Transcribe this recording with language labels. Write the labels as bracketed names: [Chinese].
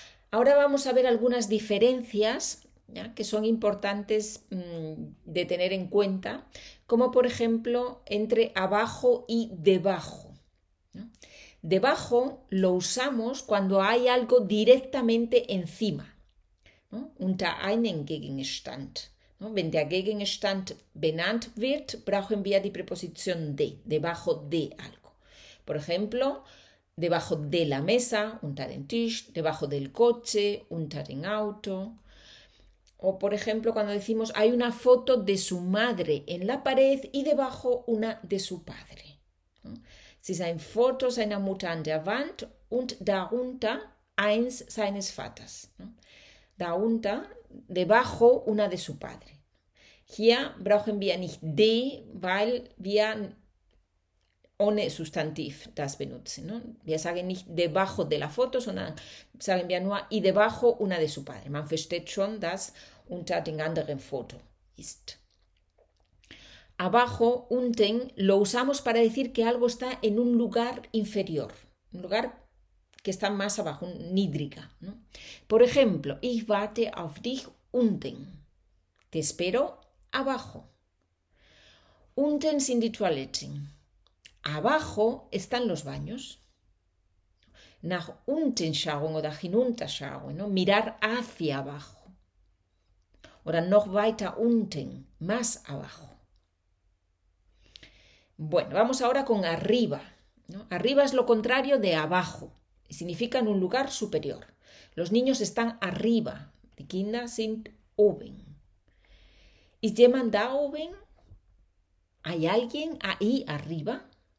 [Spanish] Ahora vamos a ver algunas diferencias, ¿ya? Que son importantes de tener en cuenta, como por ejemplo entre abajo y debajo, ¿no? Debajo lo usamos cuando hay algo directamente encima, ¿no? [German] Unter einen Gegenstand. ¿No? Wenn der Gegenstand benannt wird, brauchen wir die Präposition de, [Spanish] debajo de algo. Por ejemplo, debajo de la mesa, [German] unter den Tisch, [Spanish] debajo del coche, [German] unter den Auto. [Spanish] O por ejemplo, cuando decimos hay una foto de su madre en la pared y debajo una de su padre. ¿No? [German] Sie sehen Fotos seiner Mutter an der Wand und darunter eins seines Vaters. [Spanish] ¿No? [German] Darunter, [Spanish] debajo una de su padre. [German] Hier brauchen wir nicht de, weil wir ohne Sustantiv das benutzen. ¿No? Wir sagen nicht [Spanish] debajo de la foto, [German] sondern sagen wir nur [Spanish] y debajo una de su padre. [German] Man versteht schon, dass unter den anderen Foto ist. [Spanish] Abajo, unten, lo usamos para decir que algo está en un lugar inferior, un lugar que está más abajo, niedriger, ¿no? Por ejemplo, [German] ich warte auf dich unten. [Spanish] Te espero abajo. [German] Unten sind die Toiletten. [Spanish] Abajo están los baños. [German] Nach unten schauen oder hinunter schauen, ¿no? [Spanish] Mirar hacia abajo. [German] Oder noch weiter unten, [Spanish] más abajo. Bueno, vamos ahora con arriba, ¿no? Arriba es lo contrario de abajo. Significa en un lugar superior. Los niños están arriba. [German] Die Kinder sind oben. ¿Ist jemand da oben? [Spanish] ¿Hay alguien ahí arriba?